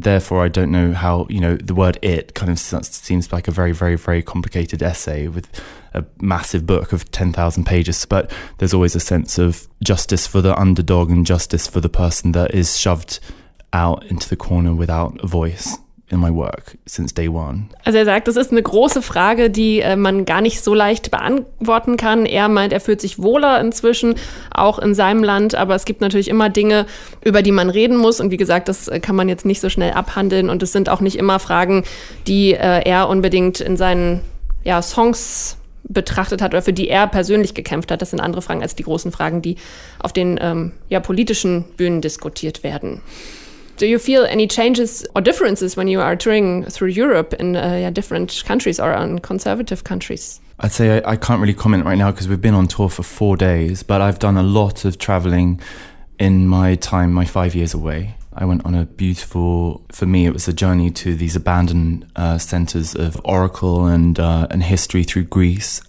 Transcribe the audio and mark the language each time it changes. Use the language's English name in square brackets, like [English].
[English] Therefore, I don't know how, you know, the word it kind of seems like a very, very, very complicated essay with a massive book of 10,000 pages. But there's always a sense of justice for the underdog and justice for the person that is shoved out into the corner without a voice in my work since day one. [German] Also er sagt, das ist eine große Frage, die man gar nicht so leicht beantworten kann. Er meint, er fühlt sich wohler inzwischen, auch in seinem Land. Aber es gibt natürlich immer Dinge, über die man reden muss. Und wie gesagt, das kann man jetzt nicht so schnell abhandeln. Und es sind auch nicht immer Fragen, die er unbedingt in seinen Songs betrachtet hat oder für die er persönlich gekämpft hat. Das sind andere Fragen als die großen Fragen, die auf den politischen Bühnen diskutiert werden. [English] Do you feel any changes or differences when you are touring through Europe in different countries or on conservative countries? I'd say I can't really comment right now because we've been on tour for 4 days, but I've done a lot of traveling in my time, my 5 years away. I went on a beautiful, for me, it was a journey to these abandoned centers of Oracle and history through Greece.